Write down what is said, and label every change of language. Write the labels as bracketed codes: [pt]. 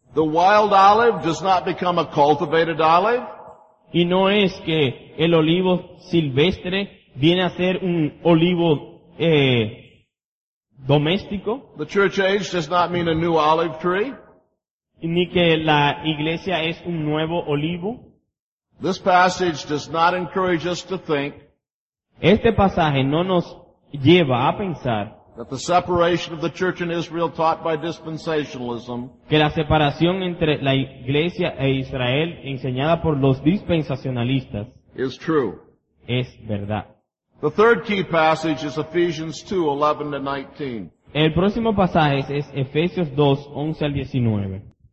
[en] The wild olive does not become a cultivated olive. [es] Y no es que el olivo silvestre viene a ser un olivo doméstico. [en] The church age does not mean a new olive tree. [es] Ni que la iglesia es un nuevo olivo. [en] This passage does not encourage us to think. [es] Este pasaje no nos lleva a pensar [en] that the separation of the church and Israel taught by dispensationalism, [es] que la separación entre la iglesia e Israel enseñada por los dispensacionalistas, [en] is true. [es] Es verdad. [en] The third key passage is Ephesians 2, 11 to 19. [es] El próximo pasaje es Efesios 2, 11 al 19.